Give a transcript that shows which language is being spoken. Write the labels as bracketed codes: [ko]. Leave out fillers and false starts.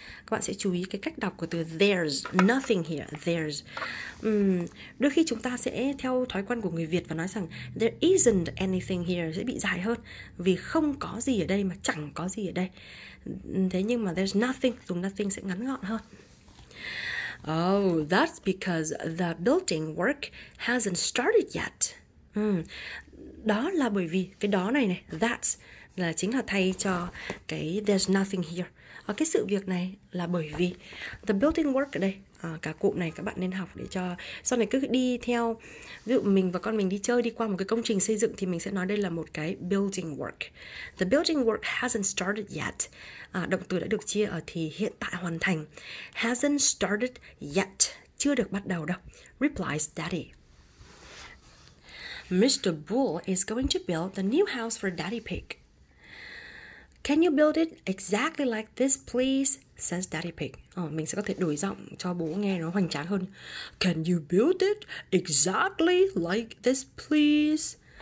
[vi] Các bạn sẽ chú ý cái cách đọc của từ [en] "there's nothing here," [vi] "there's." Đôi khi chúng ta sẽ theo thói quen của người Việt và nói rằng [en] "there isn't anything here" [vi] sẽ bị dài hơn. Vì không có gì ở đây mà chẳng có gì ở đây. Thế nhưng mà [en] "there's nothing," [vi] dùng "nothing" sẽ ngắn gọn hơn. [en] "Oh, that's because the building work hasn't started yet." [vi] Đó là bởi vì cái đó này này, that's là chính là thay cho cái [en] "there's nothing here". [vi] Ở cái sự việc này là bởi vì the building work ở đây, cả cụm này các bạn nên học để cho sau này cứ đi theo, ví dụ mình và con mình đi chơi đi qua một cái công trình xây dựng thì mình sẽ nói đây là một cái building work. [en] The building work hasn't started yet. [vi] Động từ đã được chia ở thì hiện tại hoàn thành. [en] Hasn't started yet. [vi] Chưa được bắt đầu đâu. [en] Replies daddy. "Mr. Bull is going to build the new house for Daddy Pig. Can you build it exactly like this, please?" says Daddy Pig. [vi] Mình sẽ có thể đổi giọng cho bố nghe nó hoành tráng hơn. [en] "Can you build it exactly like this, please?"